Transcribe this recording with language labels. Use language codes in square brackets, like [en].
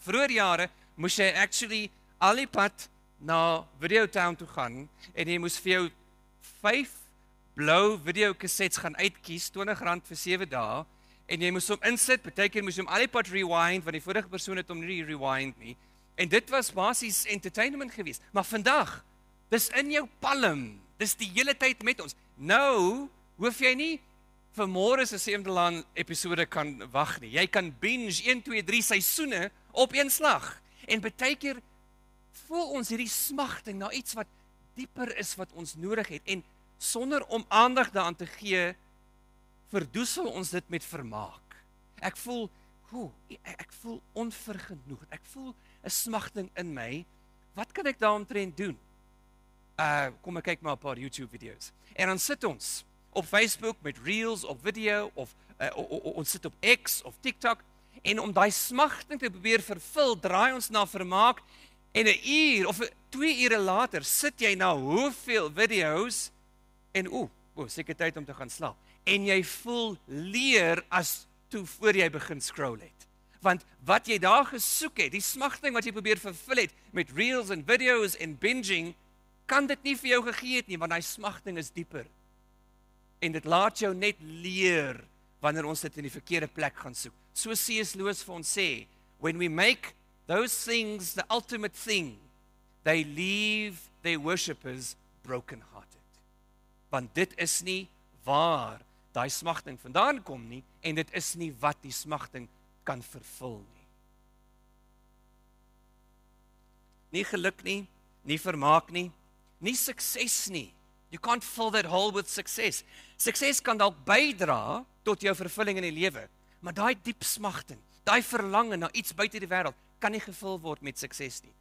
[af] Vroeër jare moes jy actually al die pad na Videotown toe gaan en jy moes vir jou 5 blou videokassettes gaan uitkies, R20 vir 7 dae, en jy moes hom insit, partykeer moes jy hom al die pad rewind, want die vorige persoon het hom nie rewind nie. En dit was basies entertainment geweest. Maar vandag, dis in jou palm. Dis die hele tyd met ons. Nou, hoef jy nie vir môre se Seemdelaan episode kan wag nie. Jy kan binge 1, 2, 3 seisoene op een slag. En baie keer voel ons hierdie smagting na iets wat dieper is wat ons nodig het. En sonder om aandag daaraan te gee, verdoesel ons dit met vermaak. Ek voel onvergenoegd. Ek voel 'n smagting in my. Wat kan ek daaromtrent doen? Kom ek kyk maar 'n paar YouTube video's. En dan sit ons op Facebook met reels of video of ons sit op X of TikTok en om daai smagting te probeer vervul, draai ons na vermaak en 'n uur of 2 ure later sit jy na hoeveel video's en seker tyd om te gaan slaap. En jy voel leer as toe voor jy begin scroll het. Want wat jy daar gesoek het, die smagting wat jy probeer vervul het met reels en videos en binging, kan dit nie vir jou gegee het nie, want die smagting is dieper. En dit laat jou net leer wanneer ons dit in die verkeerde plek gaan soek. So C.S. [en] Lewis [af] vir ons sê, [en] when we make those things the ultimate thing, they leave their worshippers brokenhearted. [af] Want dit is nie waar die smagting vandaan kom nie, en dit is nie wat die smagting kan vervul nie. Nie geluk nie, nie vermaak nie, nie sukses nie. [en] You can't fill that hole with success. [af] Sukses kan dalk bydra tot jou vervulling in die lewe, maar daai diep smagting, daai verlange na iets buite die wêreld, kan nie gevul word met sukses nie.